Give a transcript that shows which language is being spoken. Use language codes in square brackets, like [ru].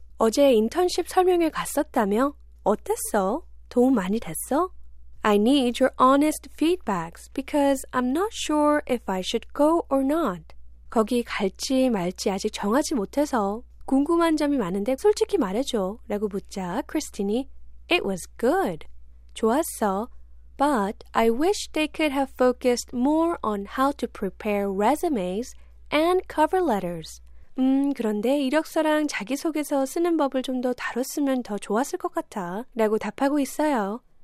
[ko] 어제 인턴십 설명회 갔었다며? 어땠어? 도움 많이 됐어? [en] I need your honest feedbacks because I'm not sure if I should go or not. [ko] 거기 갈지 말지 아직 정하지 못해서 궁금한 점이 많은데 솔직히 말해줘 라고 묻자 크리스틴이 [en] It was good. [ko] 좋았어. [en] But I wish they could have focused more on how to prepare resumes and cover letters. [ko] 그런데 이력서랑 자기소개서 쓰는 법을 좀 더 다뤘으면 더 좋았을 것 같아 라고 답하고 있어요.